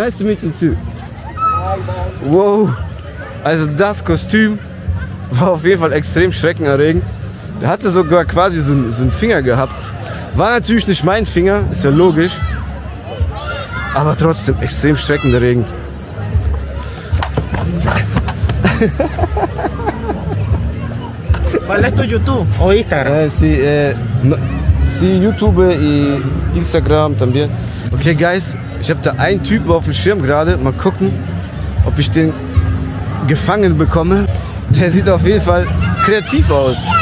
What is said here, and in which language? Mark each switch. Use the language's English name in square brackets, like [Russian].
[English] Nice to meet you too. Wow, [German] also das Kostüm War auf jeden Fall extrem schreckenerregend. Der hatte sogar quasi so einen Finger gehabt. War natürlich nicht mein Finger, ist ja logisch. Aber trotzdem extrem schreckenerregend. [Spanish] ¿Cuál es tu YouTube o Instagram? Sí, YouTube y Instagram también. [German] Okay, guys, ich habe da einen Typen auf dem Schirm gerade. Mal gucken, ob ich den gefangen bekomme. Der sieht auf jeden Fall kreativ aus.